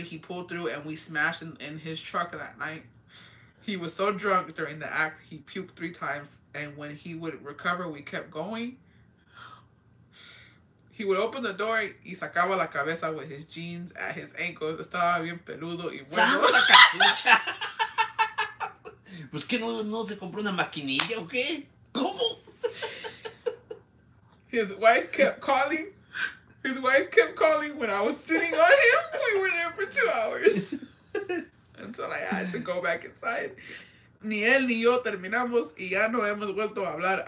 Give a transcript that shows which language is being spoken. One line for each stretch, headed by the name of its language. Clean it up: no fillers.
English: He pulled through, and we smashed in his truck that night. He was so drunk during the act, he puked 3 times. And when he would recover, we kept going. He would open the door,
Spanish: y sacaba la cabeza
English: with his jeans at his ankles.
Spanish: Estaba bien peludo, y bueno. ¡Sacaba la capucha! ¿Pues que no se compró una maquinilla o qué? ¿Cómo?
English: His wife kept calling when I was sitting on him. We were there for 2 hours. Until I had to go back inside.
Spanish: Ni él ni yo terminamos y ya no hemos vuelto a hablar.